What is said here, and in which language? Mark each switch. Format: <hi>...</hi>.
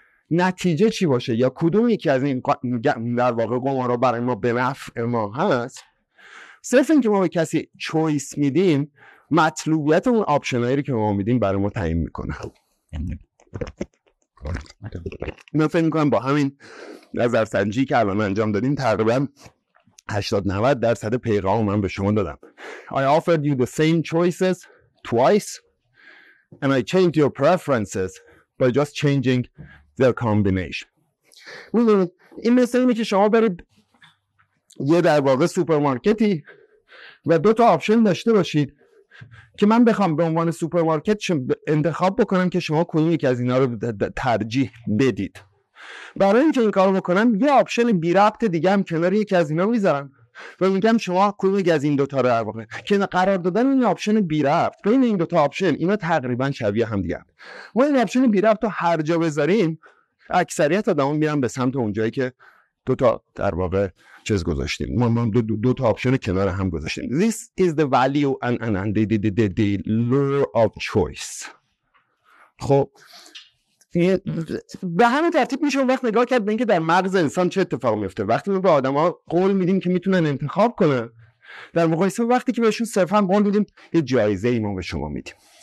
<fa>نتیجه چی باشه یا کدوم یکی از این در واقع قمارا برای ما به نفع ما هست، صرف این که ما به کسی چویس میدیم، مطلوبیت اون آپشنایی رو که ما میدیم برای ما تعیین میکنه. من فکر میکنم با همین نظرسنجی که الان انجام دادیم تقریبا 80-90 درصد پیغام رو من به شما دادم.</fa> <en>I offered you the same choices twice and I changed your preferences by just changing their combination.</en> <fa>این مثل اینه که شما برید یه در واقع سوپرمارکتی و دو تا آپشن داشته باشید که من بخوام به عنوان سوپرمارکت انتخاب بکنم که شما کدوم یکی از اینا رو ترجیح بدید. برای اینکه این کارو بکنم یه آپشن بی ربط دیگه هم کنار یکی از اینا میذارم و میگم شما کدوم یکی از این دو تا رو در واقع که قرار دادن این آپشن بی ربط بین این دو تا آپشن، اینا تقریبا شبیه هم دیگه. ما این آپشن بی ربط رو هر جا بذاریم اکثریت آدما میرن به سمت اونجایی که دو تا در واقع چیز گذاشتیم، ما دو تا آپشن کنار هم گذاشتیم.</fa> <en>This is the value and the lure of choice.</en> <fa>خب به همه ترتیب میشه وقت نگاه کرد به اینکه در مغز انسان چه اتفاق میفته وقتی به آدم ها قول میدیم که میتونن انتخاب کنن، در مقایسه وقتی که بهشون صرفا قول میدیم یه جایزه ایمون به شما میدیم.</fa>